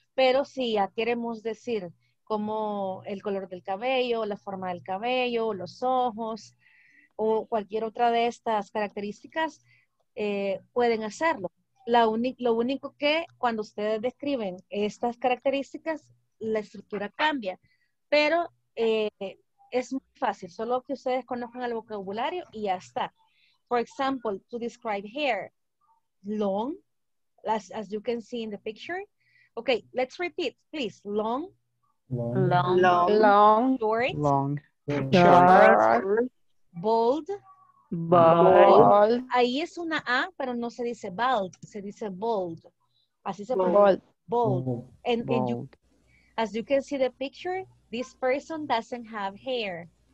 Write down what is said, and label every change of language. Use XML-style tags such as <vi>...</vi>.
<es>Pero si ya queremos decir como el color del cabello, la forma del cabello, los ojos o cualquier otra de estas características, pueden hacerlo. Lo único que cuando ustedes describen estas características, la estructura cambia. Pero es muy fácil, solo que ustedes conozcan el vocabulario y ya está.</es> <en>For example, to describe hair, long, as you can see in the picture. Okay, let's repeat, please. Long. Long. Long. Long. Short. Long. Short. Bold. Bold.</en> <es>Ahí es una A, pero no se dice bald, se dice bold. Así se pone.</es> <en>Bold. Bold. And you, as you can see the picture, this person doesn't have hair.</en>